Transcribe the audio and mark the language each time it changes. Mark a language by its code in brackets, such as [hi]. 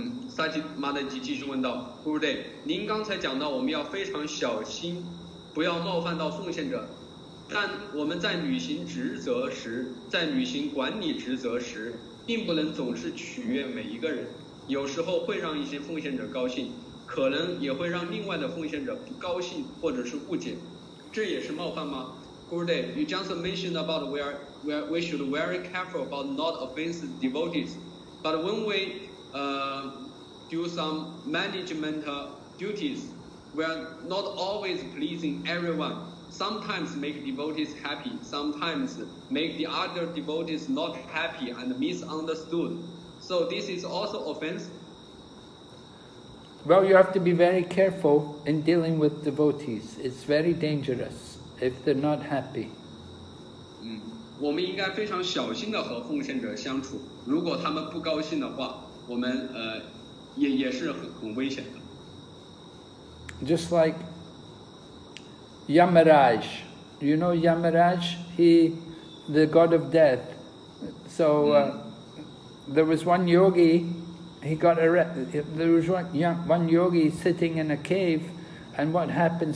[zh] 萨吉马德吉继续问道 ：“Gurudev， 您刚才讲到我们要非常小心，不要冒犯到奉献者。但我们在履行职责时，在履行管理职责时，并不能总是取悦每一个人。有时候会让一些奉献者高兴，可能也会让另外的奉献者不高兴或者是误解。这也是冒犯吗 ？” [en] Gurudev， you just mentioned about we should be very careful about not offending devotees， but when we do some management duties, we are not always pleasing everyone. Sometimes make devotees happy, sometimes make the other devotees not happy and misunderstood. So this is also offense. Well, you have to be very careful in dealing with devotees. It's very dangerous if they're not happy. [zh] 我们应该非常小心地和奉献者相处。如果他们不高兴的话，我们也是很危险的。 [en] Just like Yamaraj, you know Yamaraj, he the god of death. So there was one yogi, he got one yogi sitting in a cave, and what happened?